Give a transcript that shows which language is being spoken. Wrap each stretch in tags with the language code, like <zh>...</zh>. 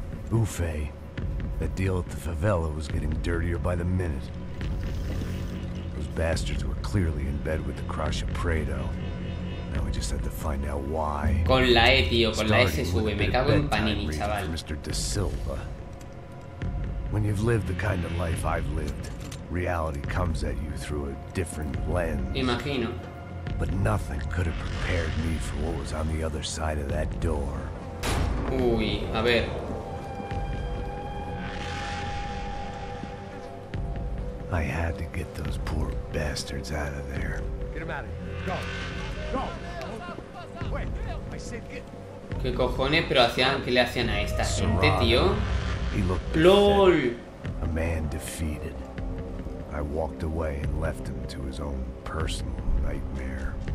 <en>Ufe, that deal at the favela was getting dirtier by the minute. Those bastards were clearly in bed with the crush of Prado. Now we just had to find out why.</en> <es>Con la E, tío, con la S sube, me cago en Panini, chaval.</es> <en>Mr. De Silva. When you've lived the kind of life I've lived, reality comes at you through a different lens.</en> <es>Imagino.</es> <en>But nothing could have prepared me for what was on the other side of that door.</en> <es>Uy, a ver.</es> <en>I had to get those poor bastards out of there. Get them out of here. Go. Go. Wait. I said get.</en> <es>¿Qué cojones? Pero hacían, ¿qué le hacían a esta gente, tío?</es> <en>He looked pathetic. A man defeated. I walked away and left him to his own personal nightmare.</en>